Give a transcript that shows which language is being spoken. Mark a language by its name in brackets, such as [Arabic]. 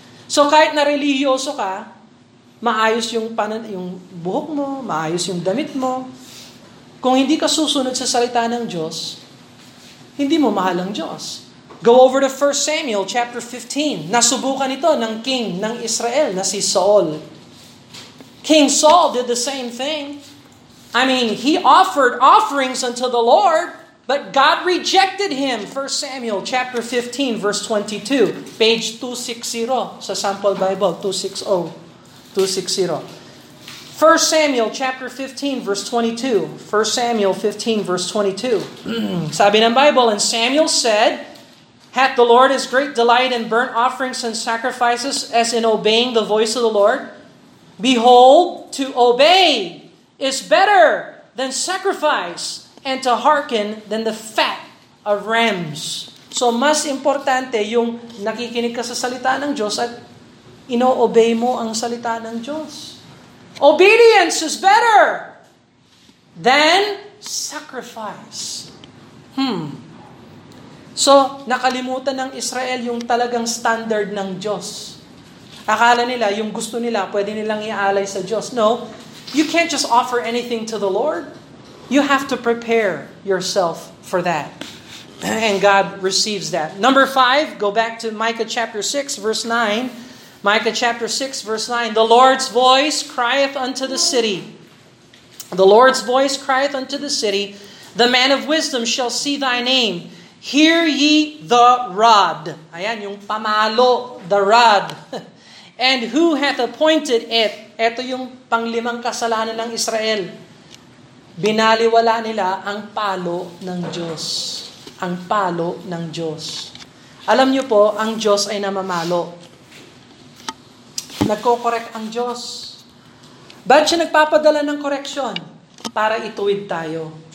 [Filipino] So kahit na reliyoso ka, maayos yung buhok mo, maayos yung damit mo. Kung hindi ka susunod sa salita ng Diyos, hindi mo mahal ang Diyos. Go over to 1 Samuel chapter 15. Nasubukan ito ng king ng Israel na si Saul. [English] King Saul did the same thing. I mean, he offered offerings unto the Lord, but God rejected him. 1 Samuel chapter 15 verse 22. Page 260 sa sample Bible, 260. 1 Samuel chapter 15 verse 22. 1 Samuel 15 verse 22. Sabi ng Bible, and Samuel said, hath the Lord as great delight in burnt offerings and sacrifices as in obeying the voice of the Lord? Behold, to obey is better than sacrifice, and to hearken than the fat of rams. [Filipino] So mas importante yung nakikinig ka sa salita ng Diyos at ino-obey mo ang salita ng Diyos. [English] Obedience is better than sacrifice. [Filipino] So, nakalimutan ng Israel yung talagang standard ng Diyos. Akala nila, yung gusto nila, pwede nilang ialay sa Diyos. No, you can't just offer anything to the Lord. [English] You have to prepare yourself for that. And God receives that. Number five, go back to Micah chapter 6, verse 9. Micah chapter 6, verse 9. The Lord's voice crieth unto the city. The Lord's voice crieth unto the city. The man of wisdom shall see thy name. Hear ye the rod. Ayan, yung pamalo, the rod. And who hath appointed it? [Filipino] Ito yung panglimang kasalanan ng Israel. Binaliwala nila ang palo ng Diyos. Ang palo ng Diyos. Alam nyo po, ang Diyos ay namamalo. Nagko-correct ang Diyos. Ba't siya nagpapadala ng correction? Para ituwid tayo.